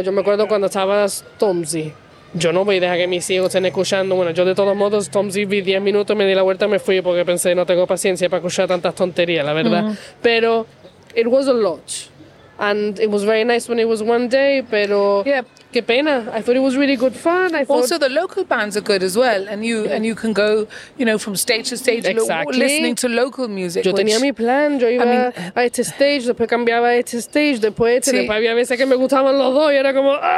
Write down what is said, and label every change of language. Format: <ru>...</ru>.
<es>Yo me acuerdo cuando estaba Stormzy. Yo no voy a dejar que mis hijos estén escuchando. Bueno, yo de todos modos, Stormzy vi 10 minutos, me di la vuelta y me fui porque pensé, no tengo paciencia para escuchar tantas tonterías, la verdad.</es> <en>Mm-hmm.</en> <es>Pero</es> <en>it was a lot. And it was very nice when it was one day,</en> <es>pero...</es> <en>Yeah.</en> <es>Qué pena.</es> <en>I thought it was really good fun. Also, the local bands are good as well, and you can go, you know, from stage to stage, exactly. Listening to local music.</en> <es>Yo tenía mi plan. Yo iba a este stage, después cambiaba a este stage, después había veces que me gustaban los dos y era como.</es>